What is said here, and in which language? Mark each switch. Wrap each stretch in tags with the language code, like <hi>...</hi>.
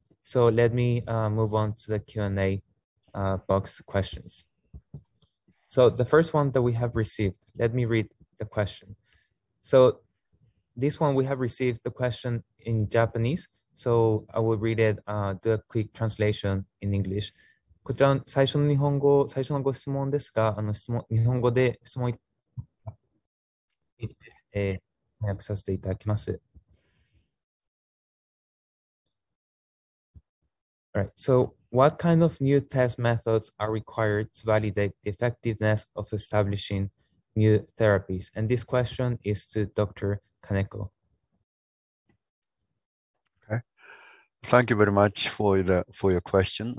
<en>So let me move on to the Q&A box questions. So the first one that we have received, let me read the question. So this one, we have received the question in Japanese. So I will read it, do a quick translation in English.</en> <ja>こちら最初の日本語、最初のご質問ですが、あの質問、日本語で質問いただきます。翻訳させていただきます。</ja> <en>All right, so what kind of new test methods are required to validate the effectiveness of establishing new therapies? And this question is to Dr. Kaneko. Okay. Thank you very much for your question.</en>